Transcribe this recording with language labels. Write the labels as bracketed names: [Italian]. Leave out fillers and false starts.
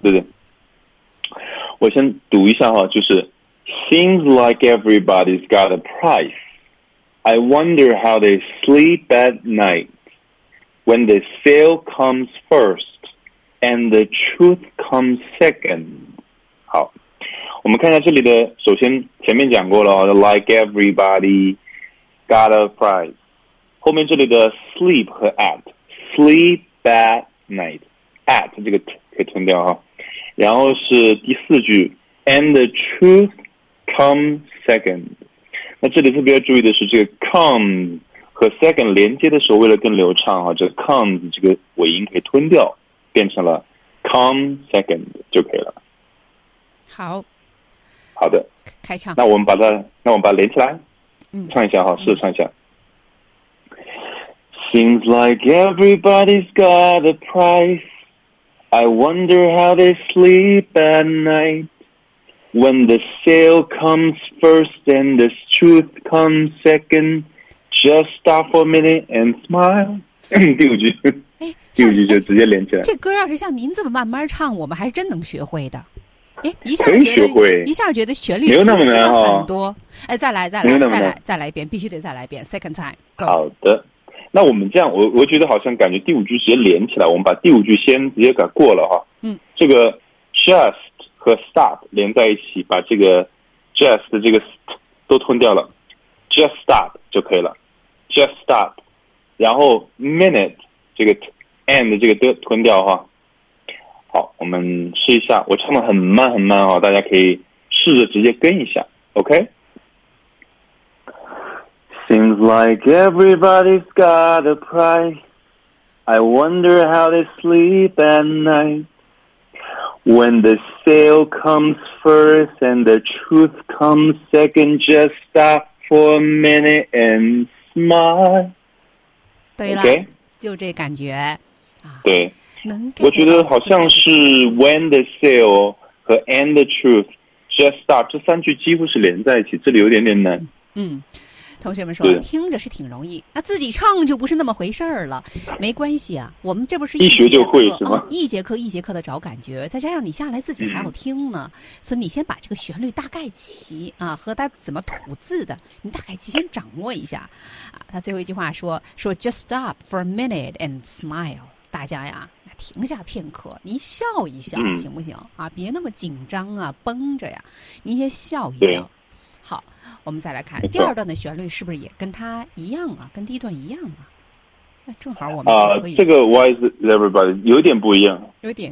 [Chinese] 对，我先读一下哈，就是 [English] Seems like everybody's got a price. I wonder how they sleep at night when the sale comes first and the truth comes second. [Chinese] 好。我们看一下这里的，首先前面讲过了 ， [English] like everybody got a price， [Chinese] 后面这里的 sleep 和 at， [English] sleep at night， [Chinese] at 这个 t 可以吞掉哈，然后是第四句 ， [English] and the truth come second， [Chinese] 那这里特别要注意的是这个 come 和 second 连接的时候，为了更流畅哈，这 come 这个尾音可以吞掉，变成了 [English] come second [Chinese] 就可以了。好。好的，开唱。那我们把它连起来，唱一下哈，试着唱一下。 [English] Seems like everybody's got a price. I wonder how they sleep at night. When the sale comes first and the truth comes second, just stop for a minute and smile. [Chinese] 第五句，第五句就直接连起来。这歌要是像您这么慢慢唱，我们还是真能学会的。哎，一下觉得旋律清晰了很多。哎，再来一遍，必须得再来一遍 ， [English] second time。 [Chinese] 好的，那我们这样，我觉得好像感觉第五句直接连起来，我们把第五句先直接给过了哈。嗯，这个 just 和 stop 连在一起，把这个 just 的这个 st 都吞掉了 ， [English] just stop [Chinese] 就可以了 ，just stop。然后 minute 这个 and 这个的吞掉哈。好，我们试一下，我唱得很慢很慢哦，大家可以试着直接跟一下 , [English] OK? Seems like everybody's got a price. I wonder how they sleep at night. When the sale comes first and the truth comes second, just stop for a minute and smile. [Chinese] 对了、 [English] okay? [Chinese] 就这感觉。对。我觉得好像是 [English] when the sale [Chinese] 和 [English] and the truth just stop [Chinese] 这三句几乎是连在一起，这里有点点难。嗯，同学们说听着是挺容易，那自己唱就不是那么回事儿了。没关系啊，我们这不是一学就会是吗、哦？一节课一节课的找感觉，再加上你下来自己还要听呢、嗯，所以你先把这个旋律大概齐啊，和它怎么吐字的，你大概齐先掌握一下。啊，他最后一句话说 [English] just stop for a minute and smile， [Chinese] 大家呀。停下片刻，您笑一笑、嗯、行不行啊，别那么紧张啊，绷着呀，您先笑一笑。好，我们再来看第二段的旋律是不是也跟它一样啊，跟第一段一样啊，那正好我们可以这个 [English] why is everybody [Chinese] 有点不一样，有点